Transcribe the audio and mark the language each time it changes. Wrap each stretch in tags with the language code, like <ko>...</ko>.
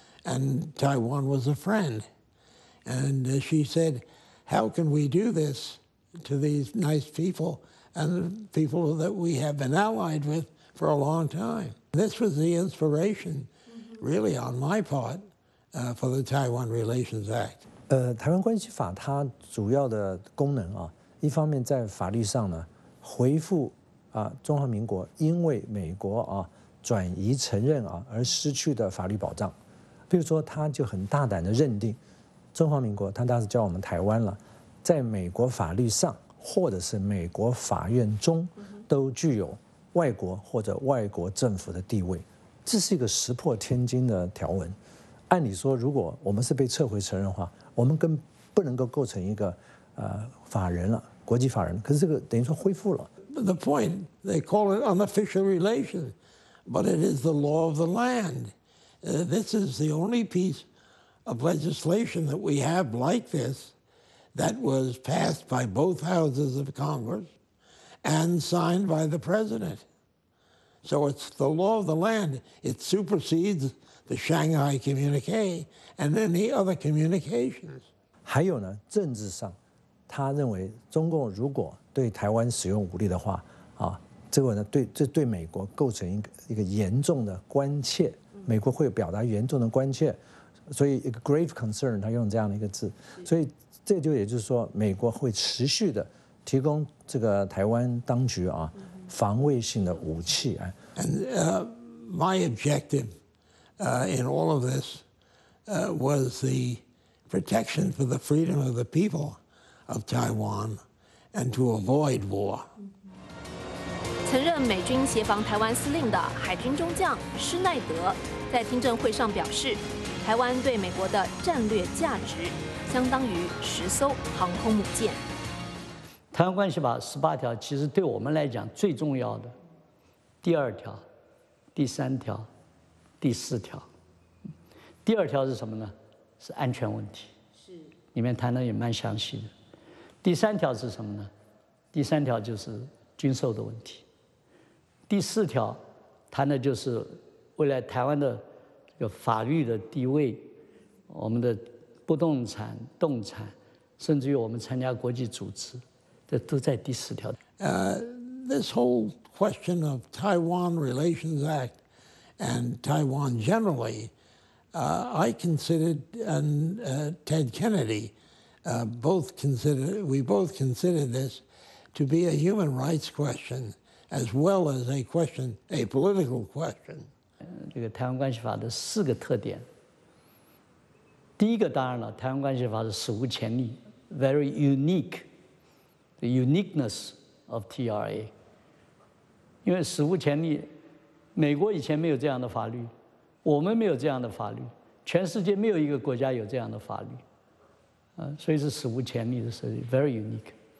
<en>and Taiwan was a friend. And she said, how can we do this to these nice people and the people that we have been allied with for a long time? This was the inspiration, really, on my part, for the Taiwan Relations Act.</en> <zh>台湾关系法它主要的功能啊，一方面在法律上呢，回复啊中华民国因为美国啊转移承认啊而失去的法律保障，比如说他就很大胆的认定，中华民国他当时叫我们台湾了，在美国法律上或者是美国法院中都具有外国或者外国政府的地位，这是一个石破天惊的条文。按理说，如果我们是被撤回承认的话，我们更不能够构成一个法人了，国际法人。可是这个等于说恢复了。</zh> <en>The point they call it unofficial relation, but it is the law of the land. This is the only piece of legislation that we have like this that was passed by both houses of Congress and signed by the president. So it's the law of the land. It supersedes. The Shanghai communique and any other communications.</en> <zh>还有呢，政治上，他认为中共如果对台湾使用武力的话，啊，这个呢，对美国构成一个严重的关切，美国会表达严重的关切，所以一个</zh> <en>grave concern，</en> <zh>他用这样的一个字，所以这就也就是说，美国会持续的提供这个台湾当局啊防卫性的武器啊。</zh> <en>And my objective. In all of this was the protection for the freedom of the people of Taiwan and to avoid war.</en> <zh>曾任美军协防台湾司令的海军中将施耐德在听证会上表示，台湾对美国的战略价值相当于十艘航空母舰。台湾关系法十八条其实对我们来讲最重要的第二条、第三条第四条，第二条是什么呢？是安全问题，是里面谈的也蛮详细的。第三条是什么呢？第三条就是军售的问题。第四条谈的就是未来台湾的有法律的地位，我们的不动产、动产，甚至于我们参加国际组织，这都在第四条。</zh> <en>This whole question of Taiwan Relations Act. And Taiwan generally, I considered, and Ted Kennedy, we both considered this to be a human rights question as well as a question, a political question.</en> <zh>这个台湾关系法的四个特点，第一个当然了，台湾关系法是史无前例 ，</zh> <en>very unique, the uniqueness of TRA.</en> <zh>因为史无前例。美国以前没有这样的法律，我们没有这样的法律，全世界没有一个国家有这样的法律，所以是史无前例的设计 ，</zh> <en>very unique。</en>